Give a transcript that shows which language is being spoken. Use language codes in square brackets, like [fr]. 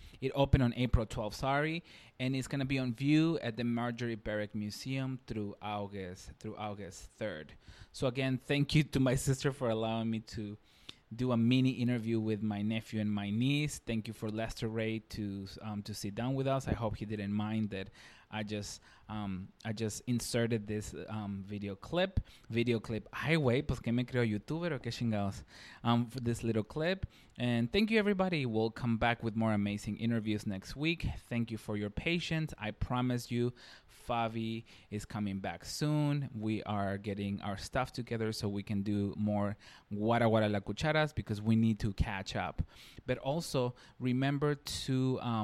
[en] It opened on April 12th, and it's going to be on view at the Marjorie Barrick Museum through August 3rd. So again, thank you to my sister for allowing me to do a mini interview with my nephew and my niece. Thank you for Lester Ray to sit down with us. I hope he didn't mind that I just inserted this video clip. [es] Ay, güey, pues que me creo YouTuber o qué chingados. [en] For this little clip. And thank you, everybody. We'll come back with more amazing interviews next week. Thank you for your patience. I promise you, Favi is coming back soon. We are getting our stuff together so we can do more Guara Guara La Cucharas because we need to catch up. But also, remember to...